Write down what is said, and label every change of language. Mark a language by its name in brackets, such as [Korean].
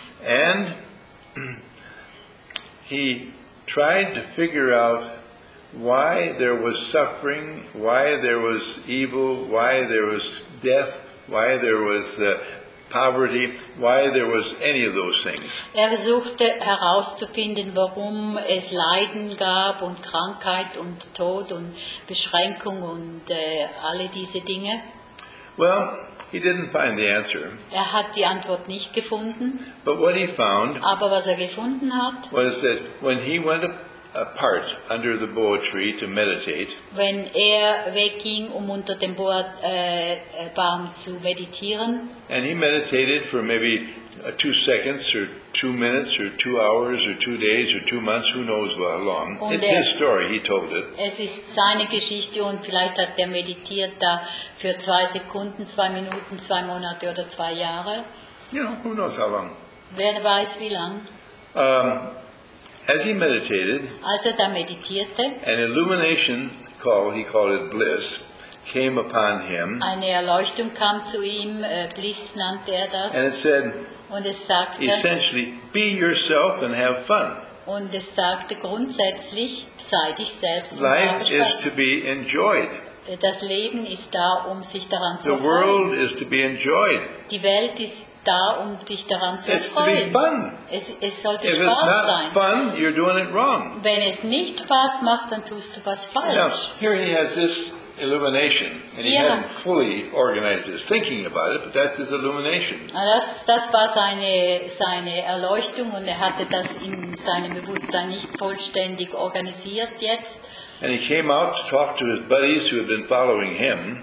[English] and he tried to figure out why there was suffering, why there was evil, why there was death, why there was poverty, why there was any of those things. [German] Versuchte herauszufinden, warum es Leiden gab und Krankheit und Tod und Beschränkung und alle diese Dinge. [English] Well, he didn't find the answer. [German] Hat die Antwort nicht gefunden. [English] But what he found, [German] aber was gefunden hat, [English] was that when he went apart under the Boa tree to meditate. [German] Wenn wegging, unter dem Baum zu meditieren. [English] And he meditated for maybe 2 seconds or 2 minutes or 2 hours or 2 days or 2 months, who knows how long. [German] Und [English] it's his story, he told it. [German] Es ist seine Geschichte, und vielleicht hat meditiert da für 2 Sekunden, 2 Minuten, 2 Monate oder 2 Jahre. [English] You know, who knows how long. [German] Wer weiß wie lang. [English] As he meditated, [German] als er da meditierte, [English] an illumination call, he called it bliss, came upon him. [German] Eine Erleuchtung kam zu ihm, bliss nannte er das. [English] And it said, [German] und es sagte, [English] essentially, be yourself and have fun. [German] Und es sagte grundsätzlich, sei dich selbst. [English] Life is to be enjoyed. [German] Das Leben ist da, um sich daran zu freuen. [English] The world is to be enjoyed. [German] Die Welt ist da, um dich daran zu freuen. [English] It's to be fun. [German] Es sollte Spaß sein. [English] If it's not fun, you're doing it wrong. [German] Wenn es nicht Spaß macht, dann tust du was falsch. [English] Now, here he has this illumination, and he hadn't fully organized his thinking about it, but that's his illumination. [German] Das war seine Erleuchtung, und hatte das in seinem Bewusstsein nicht vollständig organisiert jetzt. [English] And he came out to talk to his buddies who had been following him,